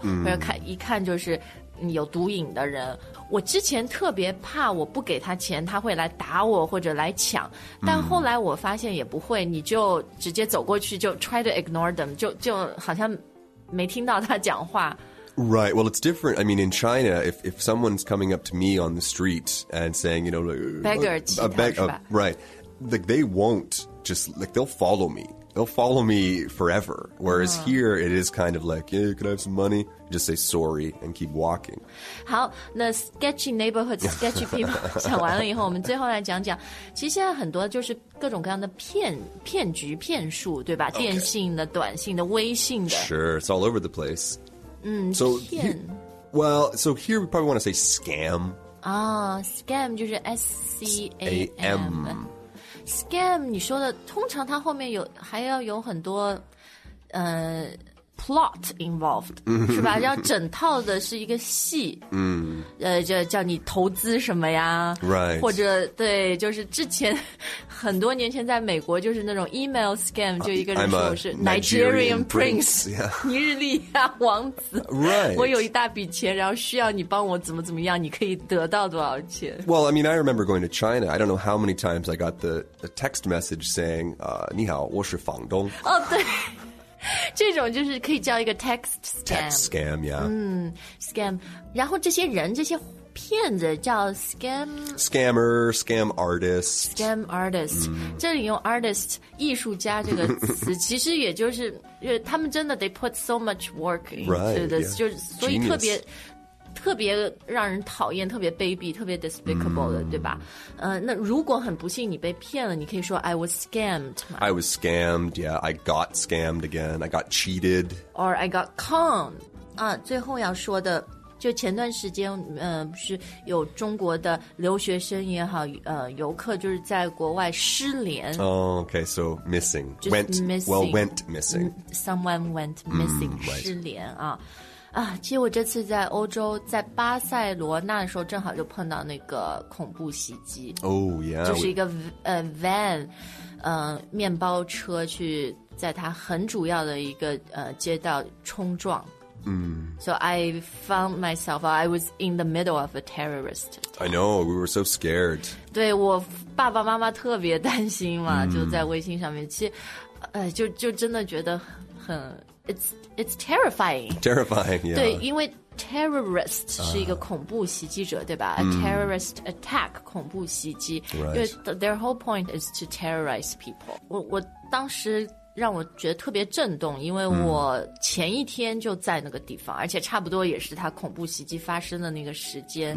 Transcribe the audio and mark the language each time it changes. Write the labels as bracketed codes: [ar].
[zh] mm. 或者看一看就是有毒瘾的人。我之前特别怕我不给他钱他会来打我或者来抢，但后来我发现也不会，你就直接走过去就 [en] try to ignore them， [zh] 就好像没听到他讲话。 [en] Right, well it's different. I mean in China, if someone's coming up to me on the street and saying, you know, like, beggar, right, like they won't just, like they'll follow me. They'll follow me forever. Whereas、oh. here it is kind of like, yeah, can I have some money? Just say sorry and keep walking. [zh] 好，那 sketchy neighborhood, sketchy people 讲完了以后，我们最后来讲讲，其实现在很多就是各种各样的骗局骗术，对吧？ [en] Okay. [zh] 电信的、短信的、微信的。 [en] Sure, it's all over the place. [zh] 骗。So [en] here we probably want to say scam. [zh] Ah,、oh, scam 就是 S-C-A-M. Scam, 你说的，通常它后面有还要有很多， [en] plot involved [zh] 是吧？要整套的是一个戏，就叫你投资什么呀 [en] ？Right， [zh] 或者对，就是之前很多年前在美国就是那种 email scam， 就一个人说我是 [en] Nigerian prince， [zh] 尼日利亚王子 [en] ，Right， [zh] 我有一大笔钱，然后需要你帮我怎么怎么样，你可以得到多少钱 [en] ？Well, I mean, I remember going to China. I don't know how many times I got the text message saying， [zh] 你好，我是房东。哦、oh, ，对。这种就是可以叫一个 text scam [en] text scam yeah、 [zh] scam 然后这些人这些骗子叫 scam [en] scammer scam artist [zh] scam artist、这里用 artist 艺术家这个词其实也就是因为他们真的 [en] they put so much work into right, this、 yeah. [zh] 就所以特别让人讨厌特别卑鄙特别 despicable 的、对吧、那如果很不幸你被骗了你可以说 [en] I was scammed I was scammed yeah I got scammed again I got cheated or I got conned、 [zh] 最后要说的就前段时间、是有中国的留学生也好、游客就是在国外失联、 [en] oh, okay so missing. Went, missing well went missing someone went missing、 [zh] 失联啊其实我这次在欧洲在巴塞罗那的时候正好就碰到那个恐怖袭击。 [en] Oh, yeah. [zh] 就是一个、van, 面包车去在它很主要的一个、街道冲撞。 [en] So I found myself, I was in the middle of a terrorist. I know, we were so scared. [zh] 对我爸爸妈妈特别担心嘛、就在微信上面。其实、就真的觉得很。 [en] It's terrifying. Terrifying, yeah. [zh] 对，因为 terrorist 是一个恐怖袭击者，对吧？ [en] A terrorist attack, [zh] 恐怖袭击。 [en] Right. 因为 their whole point is to terrorize people. [zh] 我当时让我觉得特别震动，因为我前一天就在那个地方，而且差不多也是他恐怖袭击发生的那个时间。